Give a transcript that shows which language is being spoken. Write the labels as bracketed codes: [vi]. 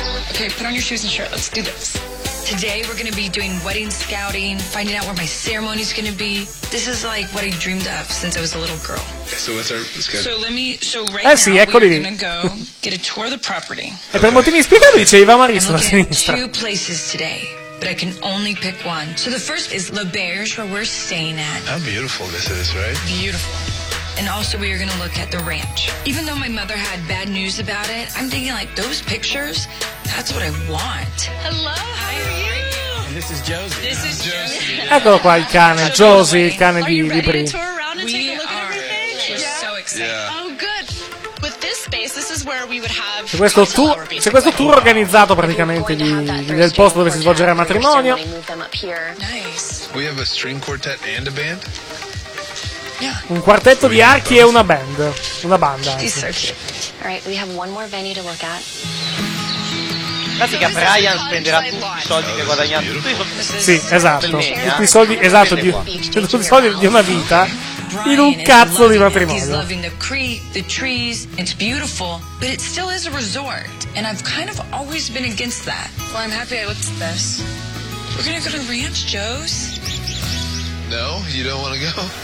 [en] Ok, put on your shoes and shirt, let's do this. Today we're gonna be doing wedding scouting, finding out where my ceremony's gonna be. This is like what I dreamed of since I was a little girl. So what's our schedule? So let me. So right now we're gonna go get a tour of the property. [it] E per motivi spiegabili ci va Marisa sulla sinistra. [en] Two places today, but I can only pick one. So the first is L'Auberge, where we're staying at. How beautiful this is, right? Beautiful. And also we are going to look at the ranch. Even though my mother had bad news about it, I'm thinking, like, those pictures, that's what I want. Hello, how are you? And this is Josie. This is Josie. [it] Eccolo qua il cane, Josie, il cane di Libri. [en] Are you ready to tour around and take a look at everything? We're so excited. Yeah. Oh, good. With this space, this is where we would have... [it] C'è questo tour organizzato praticamente del posto dove si svolgerà il matrimonio. [en] Nice. We have a string quartet and a band. Yeah. [it] Un quartetto di archi e una band. Una banda. [en] Alright, we have one more venue to look at. [it] Infatti che Brian spenderà tutti i soldi che ha guadagnato. Sì, esatto. Tutti i soldi, esatto, tutti i soldi di una vita. In un cazzo di matrimonio. [en] He's loving the creek, the trees, it's beautiful, but it still is a resort. And I've kind of always been against that. Well, I'm happy I looked at this. We're gonna go to Ranch Joe's. No, you don't wanna go.